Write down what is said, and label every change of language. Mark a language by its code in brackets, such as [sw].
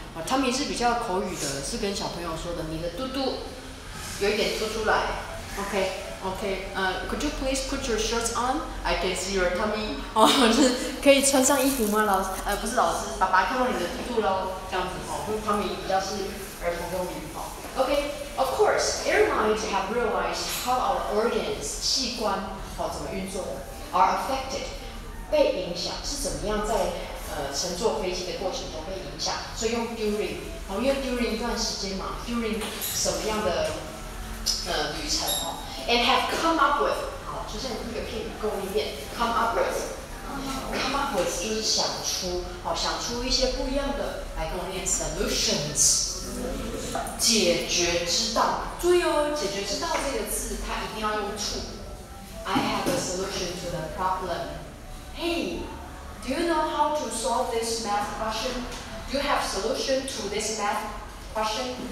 [zh] 啊 ，tummy 是比较口语的，是跟小朋友说的，你的肚肚有一点凸出来。 [en] OK， Could you please put your shirts on? I can see your tummy。 [zh] 哦，就是可以穿上衣服吗，老师？不是老师，爸爸看到你的肚肚喽，这样子哦。用 tummy 比较是儿童用语哦。 [en] OK， of course， airlines have realized how our organs [zh] 器官哦怎么运作的 [en] are affected。 [zh] 被影响是怎么样在乘坐飞机的过程中被影响？所以用 during， 因为 during 一段时间嘛 ，during 什么样的旅程哦 ？ [en] And have come up with， [zh] 好，就像一个片语构一遍 ，come up with，come up with 就是想出，好，想出一些不一样的来跟我念 solutions， 解决之道。注意哦，解决之道这个字它一定要用 to。 [en] I have a solution to the problem。 Hey, do you know how to solve this math question? Do you have solution to this math question?